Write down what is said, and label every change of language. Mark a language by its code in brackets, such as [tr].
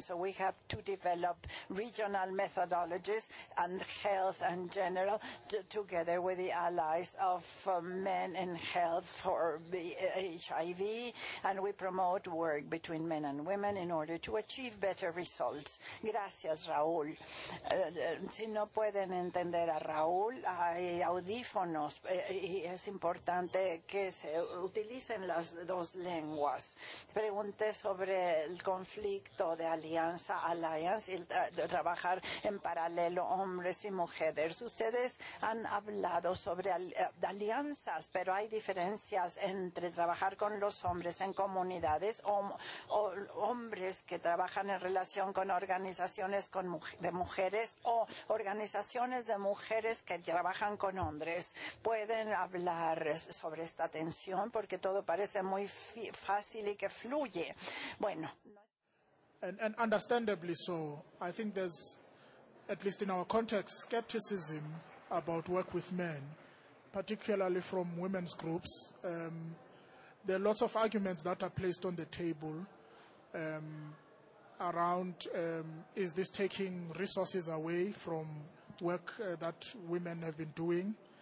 [en] So we have to develop regional methodologies and health and gender together with the allies of men in health for HIV, and we promote work between men and women in order to achieve better results. [es] Gracias, Raúl. Si no pueden entender a Raúl, hay audífonos, y es importante que se utilicen las dos lenguas. Pregunté sobre el conflicto de alianza, alliance, y trabajar en paralelo hombres y mujeres. Ustedes han hablado sobre alianzas, pero hay diferencias entre trabajar con los hombres en comunidades o hombres que trabajan en relación con organizaciones de mujeres o organizaciones de mujeres que trabajan con hombres. ¿Pueden hablar sobre esta tensión? Porque todo parece muy fácil y que fluye. Bueno. [en] And understandably so, I think there's, at least in our context, skepticism about work with men, particularly from women's groups. There are lots of arguments that are placed on the table around is this taking resources away from work that women have been doing?